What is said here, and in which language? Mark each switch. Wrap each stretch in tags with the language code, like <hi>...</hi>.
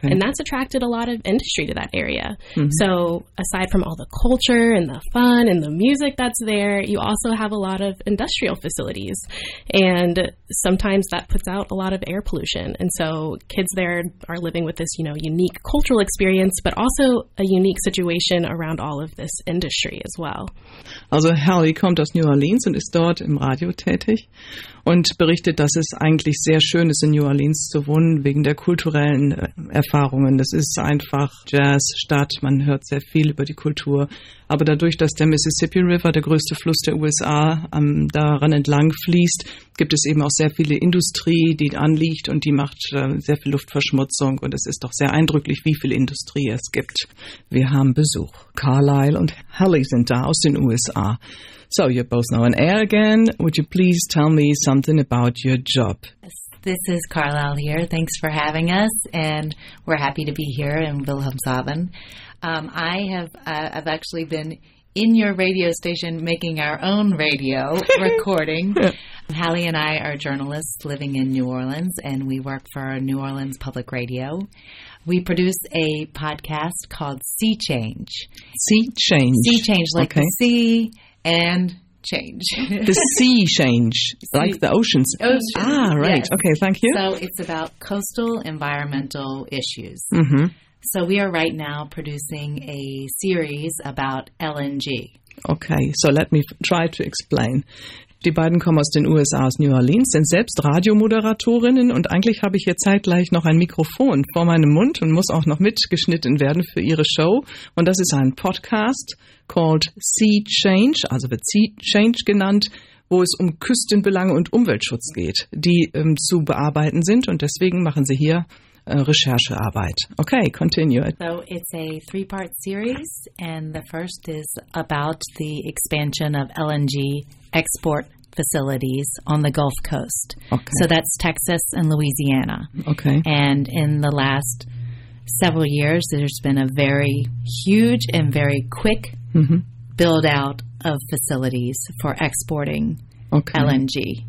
<en>And that's attracted a lot of industry to that area. Mm-hmm. So aside from all the culture and the fun and the music that's there, you also have a lot of industrial facilities. And sometimes that puts out a lot of air pollution. And so kids there are living with this, you know, unique cultural experience, but also a unique situation around all of this industry as well.</en> <de>Also Harry kommt aus New Orleans und ist dort im Radio tätig und berichtet, dass es eigentlich sehr schön ist, in New Orleans zu wohnen, wegen der kulturellen Erfahrungen. Das ist einfach Jazzstadt, man hört sehr viel über die Kultur. Aber dadurch, dass der Mississippi River, der größte Fluss der USA, daran entlang fließt, gibt es eben auch sehr viele Industrie, die anliegt und die macht sehr viel Luftverschmutzung. Und es ist doch sehr eindrücklich, wie viel Industrie es gibt. Wir haben Besuch. Carlisle und Harley sind da aus den USA.</de> <en>So, you're both now on air again. Would you please tell me something about your job? This is Carlisle here. Thanks for having us. And we're happy to be here in Wilhelmshaven. I've actually been in your radio station making our own radio recording. Yeah. Hallie and I are journalists living in New Orleans, and we work for New Orleans Public Radio. We produce a podcast called Sea Change. Sea Change. Sea Change, like okay. The sea and change. The sea change, like the oceans. Oceans. Ah, right. Yes. Okay, thank you. So it's about coastal environmental issues. Mm-hmm. So we are right now producing a series about LNG. Okay, so let me try to explain.</en> <de>Die beiden kommen aus den USA, aus New Orleans, sind selbst Radiomoderatorinnen und eigentlich habe ich hier zeitgleich noch ein Mikrofon vor meinem Mund und muss auch noch mitgeschnitten werden für ihre Show. Und das ist ein Podcast</de> <en>called</en> <de>Sea Change, also wird Sea Change genannt, wo es um Küstenbelange und Umweltschutz geht, die zu bearbeiten sind und deswegen machen sie hier Recherchearbeit.</de> <en>Okay, continue. So it's a three-part series, and the first is about the expansion of LNG export facilities on the Gulf Coast. Okay. So that's Texas and Louisiana. Okay. And in the last several years, there's been a very huge and very quick build-out of facilities for exporting LNG.</en>